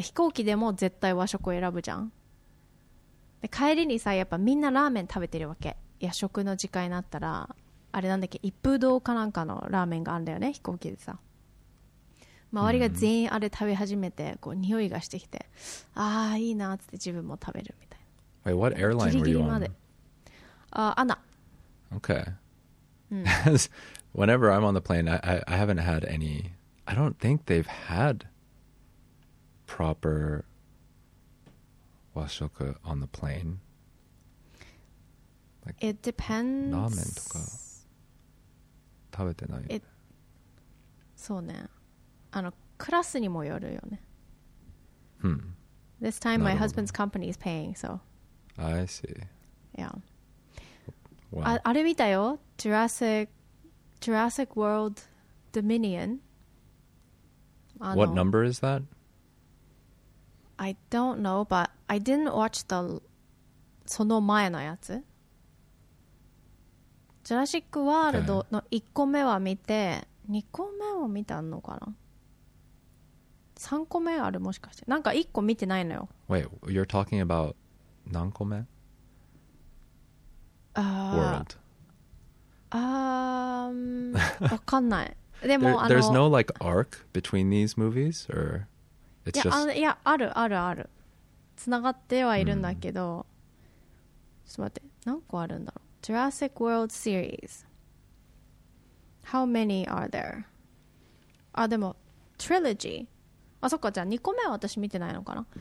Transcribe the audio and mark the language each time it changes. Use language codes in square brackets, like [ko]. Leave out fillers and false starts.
[ja] 飛行機でも絶対和食を選ぶじゃん。で、帰りにさ、やっぱみんなラーメン食べてるわけ。夜食の時間になったらあれなんだっけ一風堂かなんかのラーメンがあるんだよね飛行機でさ周りが全員あれ食べ始めてこう匂いがしてきてああいいなっつって自分も食べるみたいな [en] Wait, what airline [ja] ギリギリまで [en] were you on? [ja] アナ [en] Okay Whenever I'm on the plane I haven't had any I don't think they've had proper 和食 on the plane It depends. [ja] ラーメンとか食べてない。そうね。あのクラスにもよるよね。 Hmm. [en] This time my husband's company is paying, so. I see. Yeah. Wow. [ja] あれ見たよ。 [en] Jurassic World Dominion. What number is that? I don't know, but I didn't watch the [ja] その前のやつ。ジュラシックワールドの1個目は見て、okay. 2個目を見たのかな3個目あるもしかしてなんか1個見てないのよ [en] Wait, you're talking about [ja] 何個目、 World わかんないでも、 [en] There's no like arc between these movies, or it's just... [ja] いや、あるあるある。つながってはいるんだけど、ちょっと待って、何個あるんだろう。 [en] Jurassic World Series. How many are there? [ja] あ、でも、Trilogy。あ、そっか、じゃあ2個目は私見てないのかな。